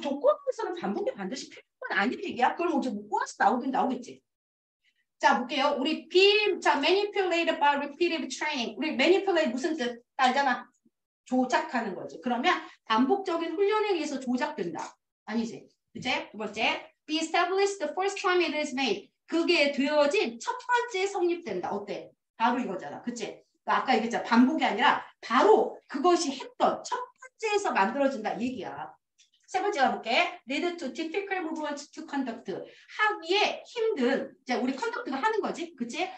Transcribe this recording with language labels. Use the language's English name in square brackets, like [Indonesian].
[Korean] 조건에서는 반복이 반드시 필요한 건 아니란 얘기야. 그럼 어제 못 구워서 나오긴 나오겠지. 자, 볼게요. 우리 [English] manipulated by repetitive training. [Korean] 우리 manipulate 무슨 뜻? 알잖아. 조작하는 거지. 그러면 반복적인 훈련에 의해서 조작된다. 아니지. 그치? 두 번째. [English] Be established the first time it is made. [Korean] 그게 되어진 첫 번째 성립된다. 어때? 바로 이거잖아. 그치? 아까 얘기했잖아. 반복이 아니라 바로 그것이 했던 첫 번째에서 만들어진다 얘기야. 세 번째 가볼게. [English] Lead to difficult movements to conduct. [Korean] 하기에 힘든, 이제 우리 컨덕트가 하는 거지. 그치?